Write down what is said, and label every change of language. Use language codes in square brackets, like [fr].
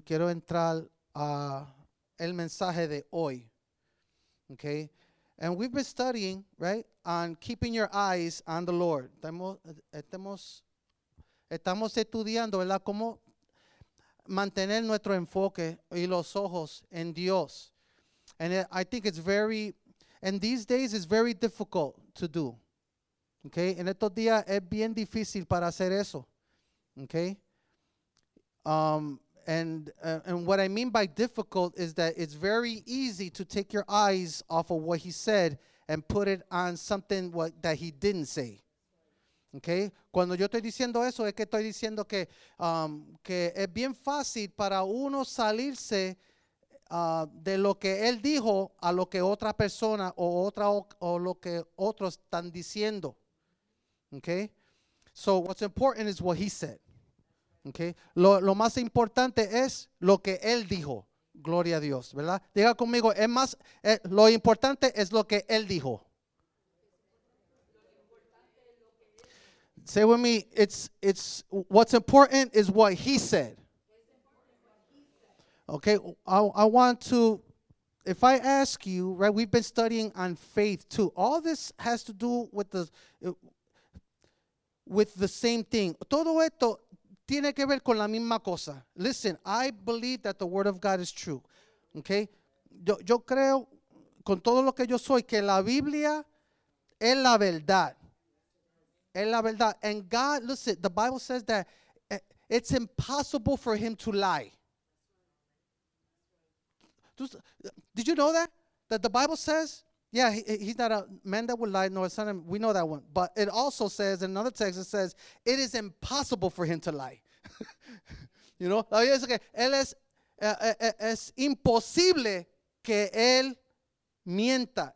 [es] Quiero entrar a el mensaje de hoy. [en] Okay? And we've been studying, right, on keeping your eyes on the Lord. [es] Estamos estudiando, ¿verdad?, cómo mantener nuestro enfoque y los ojos en Dios. [en] And I think it's very, and these days it's very difficult to do. Okay? [es] En estos días es bien difícil para hacer eso. [en] Okay? And what I mean by difficult is that it's very easy to take your eyes off of what he said and put it on something that he didn't say. Okay? [es] Cuando yo estoy diciendo eso, es que estoy diciendo que es bien fácil para uno salirse de lo que él dijo a lo que otra persona o lo que otros están diciendo. [en] Okay? So what's important is what he said. Okay? [es] Lo más importante es lo que él dijo. Gloria a Dios, ¿verdad? Diga conmigo, lo importante es lo que él dijo. [en] Say with me, it's what's important is what he said. Okay, I want to, if I ask you, right, we've been studying on faith too. All this has to do with the same thing. [es] Todo esto tiene que ver con la misma cosa. [en] Listen, I believe that the word of God is true. [es] Okay, yo creo con todo lo que yo soy que la Biblia es la verdad. Es la verdad. [en] And God, listen, the Bible says that it's impossible for him to lie. Did you know that? That the Bible says, yeah, he's not a man that would lie, nor a son of him. We know that one. But it also says, in another text, it says, it is impossible for him to lie. You know? [es] La Biblia dice que él es imposible que él mienta.